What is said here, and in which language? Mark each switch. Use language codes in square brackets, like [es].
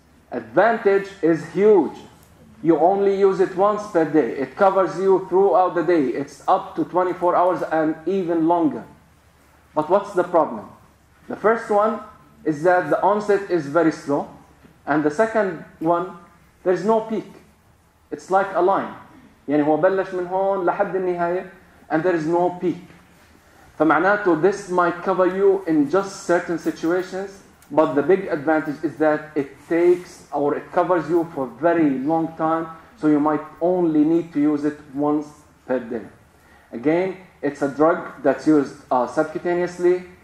[en] Advantage is huge. You only use it once per day. It covers you throughout the day. It's up to 24 hours and even longer. But what's the problem? The first one is that the onset is very slow. And the second one, there's no peak. It's like a line. [ar] يعني هو بلش من هون لحد النهاية [en] and there is no peak. فمعناته this might cover you in just certain situations, but the big advantage is that it takes or it covers you for a very long time, so you might only need to use it once per day. Again, it's a drug that's used subcutaneously.